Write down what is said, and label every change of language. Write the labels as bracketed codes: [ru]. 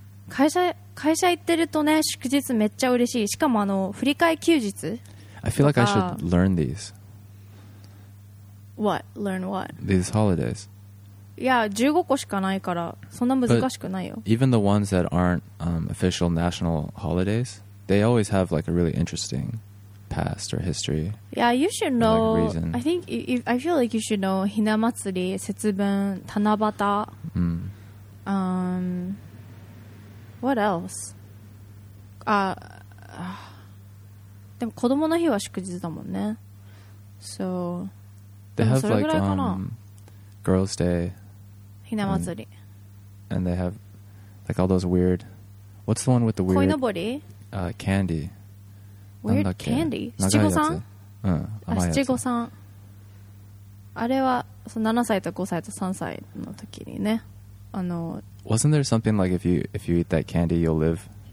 [ja] 会社行ってるとね、祝日めっちゃ嬉しい。しかも振り替え休日。 [en] I feel like I should learn these. What? Learn what? These holidays. [ja] Yeah, 15個しかないからそんな難しくないよ。 [en] But even the ones that aren't official national holidays, they always have like a really interesting past or history. Yeah, you should know. I think I feel like you should know ひな祭り、節分、七夕。 What else? [ja] でも子供の日は祝日だもんね。 [en] So, they have like Girls' Day. [ja] ひな祭り。 [en] And they have like all those weird. What's the one with the weird? [ja] 鯉のぼり? [en] Candy. Weird candy? 七五三?七五三。 [ja] あれは7歳と5歳と3歳の時にね。 [en] Wasn't there something like if you eat that candy you'll live